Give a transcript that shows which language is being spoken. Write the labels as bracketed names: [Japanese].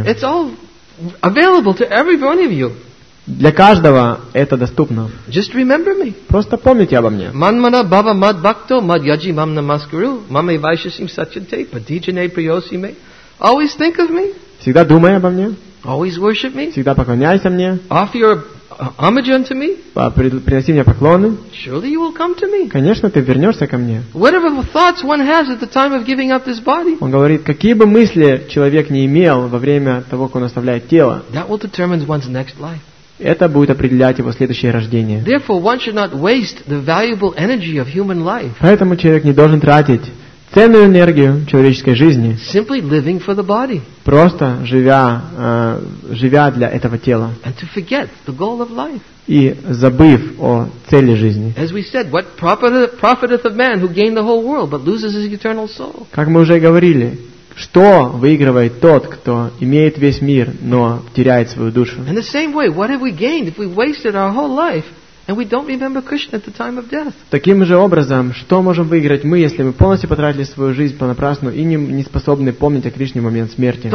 [English] It's all available to every one of you. [Russian] Для каждого это доступно. [English] Just remember me. [Russian] Просто помните обо мне. [Sanskrit] Манмана баба мад бакто мад яджи мам намаскару мамей вайшасим сачанте падиджане приоси ме. [English] Always think of me. [Russian] Всегда думай обо мне. [English] Always worship me. [Russian] Всегда поклоняйся мне. [English] Offer your homage unto me. [Russian] Приноси мне поклоны. [English] Surely you will come to me. [Russian] Конечно, ты вернешься ко мне. [English] Whatever thoughts one has at the time of giving up this body. [Russian] Он говорит, какие бы мысли человек не имел во время того, как он оставляет тело. [English] That will determine one's next life. [Russian] Это будет определять его следующее рождение. [English] Therefore, one should not waste the valuable energy of human life. [Russian] Поэтому человек не должен тратить ценную энергию человеческой жизни. [English] Simply living for the body. [Russian] Просто живя для этого тела. [English] And to forget the goal of life. [Russian] И забыв о цели жизни. [English] As we said, what profiteth a man who gain the whole world but loses his eternal soul? [Russian] Как мы уже говорили. Что выигрывает тот, кто имеет весь мир, но теряет свою душу? [English] In the same way, what have we gained if we wasted our whole life and we don't remember Krishna at the time of death? [Russian] Таким же образом, что можем выиграть мы, если мы полностью потратили свою жизнь понапрасну и не способны помнить о Кришне в момент смерти?